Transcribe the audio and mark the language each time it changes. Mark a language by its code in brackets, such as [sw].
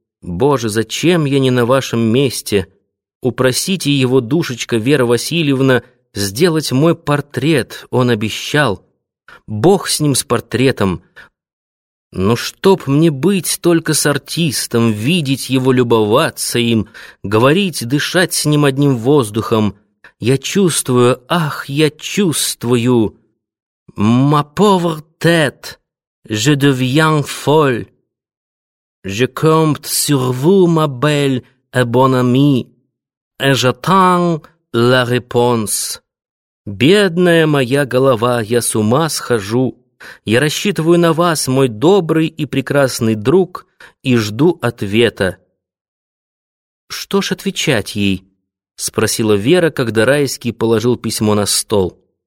[ru] Боже, зачем я не на вашем месте? Упросите его, душечка, Вера Васильевна, сделать мой портрет, он обещал. Бог с ним, с портретом. Но чтоб мне быть только с артистом, видеть его, любоваться им, говорить, дышать с ним одним воздухом. Я чувствую, ах, я чувствую. [fr] Ma pauvre tête, je deviens folle. Je compte sur vous, ma belle et bonne amie, et j'attends la réponse. [ru] Бедная моя голова, я с ума схожу. Я рассчитываю на вас, мой добрый и прекрасный друг, и жду ответа». «Что ж отвечать ей?» — спросила Вера, когда Райский положил письмо на стол.